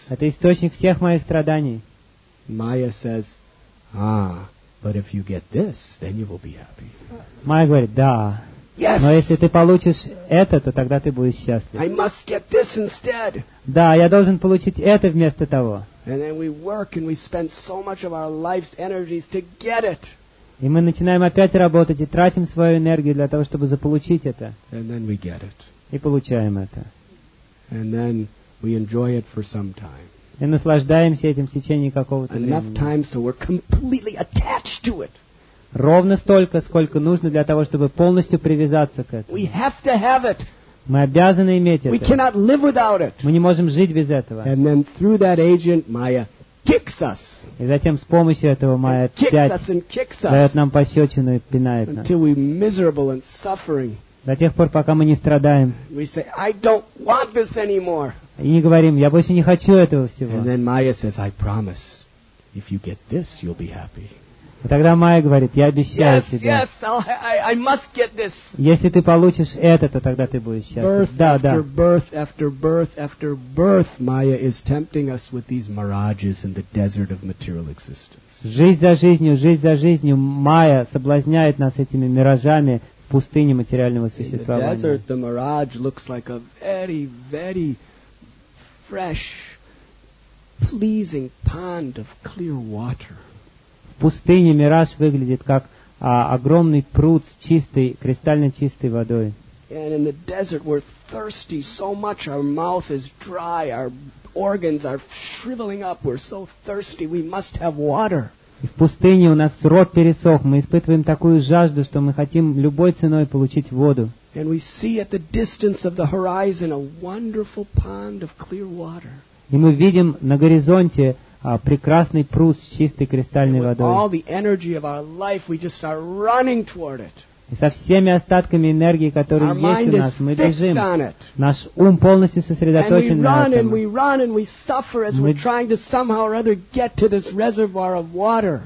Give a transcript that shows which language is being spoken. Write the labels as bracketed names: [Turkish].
[Russian] Это источник всех моих страданий. [English] Maya says, ah. But if you get this, then you will be happy. [Russian] Майя говорит, да, [English] Yes. [Russian] Но если ты получишь это, то тогда ты будешь счастлив. [English] I must get this instead. [Russian] Да, я должен получить это вместо того. [English] And then we work and we spend so much of our life's energies to get it. [Russian] И мы начинаем опять работать и тратим свою энергию для того, чтобы заполучить это. [English] And then we get it. [Russian] И получаем это. [English] And then we enjoy it for some time. [Russian] И наслаждаемся этим в течение какого-то времени. [English] Enough time, so we're completely attached to it. [Russian] Ровно столько, сколько нужно для того, чтобы полностью привязаться к этому. [English] We have to have it. [Russian] Мы обязаны иметь это. [English] We cannot live without it. [Russian] Мы не можем жить без этого. [English] And then through that agent, Maya kicks us. [Russian] И затем с помощью этого Maya дает нам пощечину и пинает нас. [English] Until we're miserable and suffering. [Russian] До тех пор, пока мы не страдаем. [English] We say, I don't want this anymore. [Russian] И не говорим, я больше не хочу этого всего. [English] And then Maya says, I promise, if you get this, you'll be happy. [Russian] И тогда Майя говорит, я обещаю тебе. [English] I must get this. [Russian] Если ты получишь это, то тогда ты будешь счастлив. [English] Birth [Russian] да, [English] after [Russian] да. [English] Birth after birth after birth, Maya is tempting us with these mirages in the desert of material existence. [Russian] Жизнь за жизнью, Майя соблазняет нас этими миражами в пустыне материального существования. [English] In the desert, the mirage looks like a very, very fresh, pleasing pond of clear water. [Russian] В пустыне мираж выглядит как огромный пруд с чистой, кристально чистой водой. [English] And in the desert we're thirsty so much, our mouth is dry, our organs are shriveling up, we're so thirsty, we must have water. [Russian] И в пустыне у нас рот пересох, мы испытываем такую жажду, что мы хотим любой ценой получить воду. [English] And we see at the distance of the horizon a wonderful pond of clear water. [Russian] И мы видим на горизонте прекрасный пруд с чистой кристальной водой. [English] With all the energy of our life, we just are running toward it. [Russian] И со всеми остатками энергии, которые есть у нас, мы бежим. Наш ум полностью сосредоточен на этом. [English] And we run and we suffer as we're trying to somehow or other get to this reservoir of water.